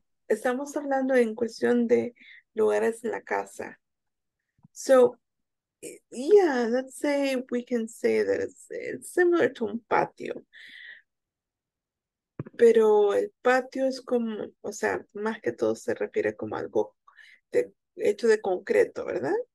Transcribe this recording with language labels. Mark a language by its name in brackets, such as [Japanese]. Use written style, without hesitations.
[Spanish] Estamos hablando en cuestión de lugares en la casa. [English] So, yeah, let's say we can say that it's similar to [Spanish] un patio. Pero el patio es como, o sea, más que todo se refiere como algo de, hecho de concreto, ¿verdad?